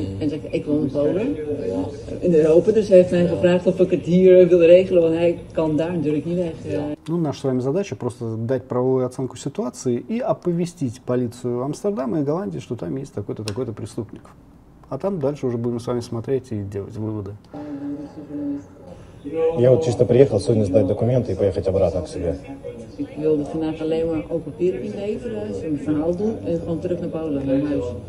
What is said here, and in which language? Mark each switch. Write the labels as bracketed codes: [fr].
[nl] En zegt, ik woon in Polen, in Europa, dus hij heeft mij gevraagd of ik het hier wil regelen, want hij kan daar natuurlijk niet weg. [ru] Ну, наша с вами задача просто дать правовую оценку ситуации и оповестить полицию Амстердама и Голландии, что там есть такой-то, такой-то преступник. А там дальше уже будем с вами смотреть и делать выводы. Я вот чисто приехал сегодня сдать документы и поехать обратно к себе. [nl] Ik wilde vandaag alleen maar op papier inleveren, zo'n verhaal doen en gewoon terug naar Polen, naar huis.